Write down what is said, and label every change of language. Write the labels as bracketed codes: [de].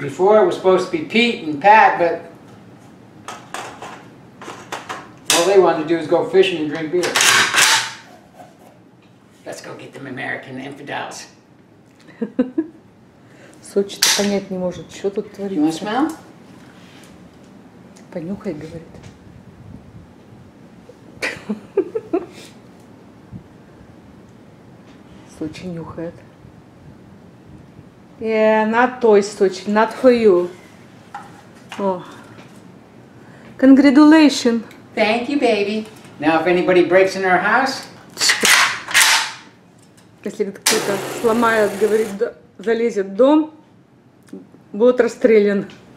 [en] Before it was supposed to be Pete and Pat, but all they wanted to do is go fishing and drink beer. Let's go get them American infidels. [ru] Сочи-то понять не может, что тут творится. [en] You want to smell? [ru] Понюхай, говорит. Сочи нюхает. [en] Yeah, not той Сочи, not for you. Oh. Congratulations. Thank you, baby. Now if anybody breaks in our house. [ru] Если кто-то сломает, говорит, залезет в дом, будет расстрелян.